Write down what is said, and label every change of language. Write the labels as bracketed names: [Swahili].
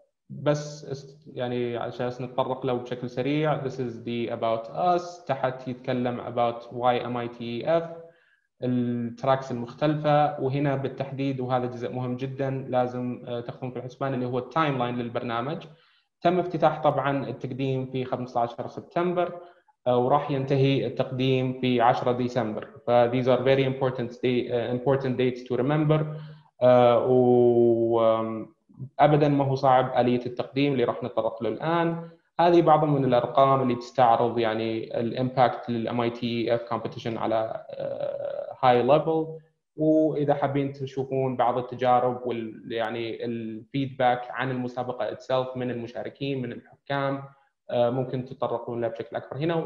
[Arabic] بس يعني عشان نتطرق له بشكل سريع، [English] this is the about us، [Arabic] تحت يتكلم [English] about why MITEF. [Arabic] التراكس المختلفة. وهنا بالتحديد وهذا جزء مهم جدا لازم تاخذون في الحسبان اللي هو التايم لاين للبرنامج. تم افتتاح طبعا التقديم في 15 سبتمبر وراح ينتهي التقديم في 10 ديسمبر. [English] ف these are very important important dates to remember. [Arabic] وابدا ما هو صعب آلية التقديم اللي راح نتطرق له الان. هذه بعض من الارقام اللي تستعرض يعني الامباكت للMITEF competition على high level. واذا حابين تشوفون بعض التجارب وال يعني الفيدباك عن المسابقه itself من المشاركين من الحكام ممكن تتطرقون لها بشكل اكبر هنا.